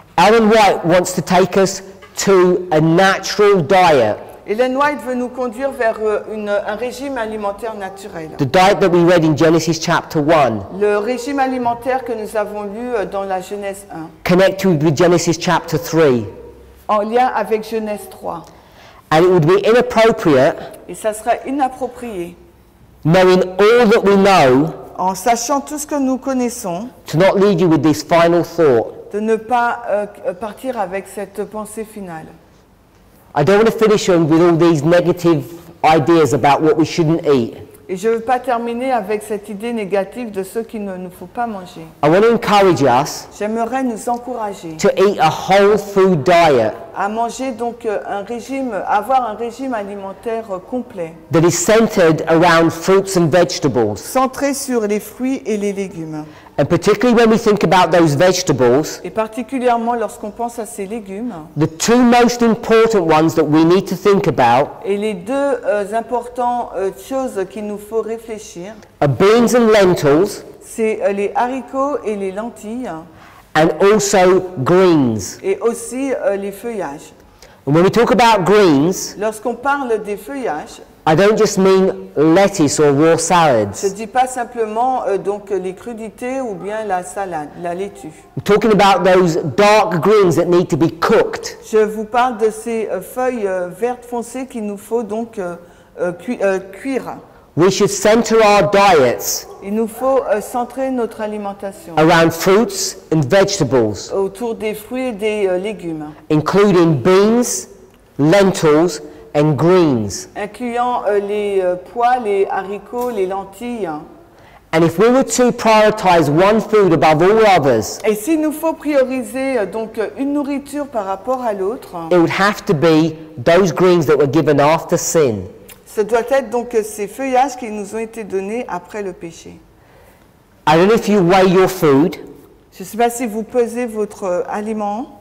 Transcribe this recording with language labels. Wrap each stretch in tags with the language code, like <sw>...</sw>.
<en>Ellen White wants to take us to a natural diet.</en> <fr>Ellen White veut nous conduire vers un régime alimentaire naturel.</fr> <en>The diet that we read in Genesis chapter 1.</en> <fr>Le régime alimentaire que nous avons lu dans la Genèse 1.</fr> <en>Connected with Genesis chapter 3.</en> <fr>En lien avec Genèse 3.</fr> <en>And it would be inappropriate.</en> <fr>Et ça serait inapproprié.</fr> <en>Knowing all that we know.</en> <fr>En sachant tout ce que nous connaissons.</fr> <en>To not lead you with this final thought.</en> <fr>De ne pas partir avec cette pensée finale.</fr> <en>I don't want to finish on with all these negative ideas about what we shouldn't eat.</en> <fr>Et je veux pas terminer avec cette idée négative de ce qu'il ne nous faut pas manger.</fr> <en>I want to encourage us.</en> <fr>J'aimerais nous encourager.</fr> <en>To eat a whole food diet.</en> <fr>À manger donc un régime, avoir un régime alimentaire complet.</fr> <en>That is centered around fruits and vegetables.</en> <fr>Centré sur les fruits et les légumes.</fr> <en>And particularly when we think about those vegetables.</en> <fr>Et particulièrement lorsqu'on pense à ces légumes.</fr> <en>The two most important ones that we need to think about.</en> <fr>Et les deux importantes choses qu'il nous faut réfléchir.</fr> <en>Are beans and lentils.</en> <fr>C'est les haricots et les lentilles.</fr> <en>And also greens.</en> <fr>Et aussi les feuillages.</fr> <en>And when we talk about greens.</en> <fr>Lorsqu'on parle des feuillages.</fr> <en>I don't just mean lettuce or raw salads.</en> <fr>Je dis pas simplement donc les crudités ou bien la salade, la laitue.</fr> <en>I'm talking about those dark greens that need to be cooked.</en> <fr>Je vous parle de ces feuilles vertes foncées qu'il nous faut donc cuire.</fr> <en>We should center our diets.</en> <fr>Il nous faut centrer notre alimentation.</fr> <en>Around fruits and vegetables.</en> <fr>Autour des fruits et des légumes.</fr> <en>Including beans, lentils. And greens.</en> <fr>Incluant les pois, les haricots, les lentilles.</fr> <en>And if we were to prioritize one food above all others.</en> <fr>Et s'il nous faut prioriser donc une nourriture par rapport à l'autre.</fr> <en>It would have to be those greens that were given after sin.</en> <fr>Ce doit être donc ces feuillages qui nous ont été donnés après le péché.</fr> <en>I don't know if you weigh your food.</en> <fr>Je ne sais pas si vous pesez votre aliment.</fr>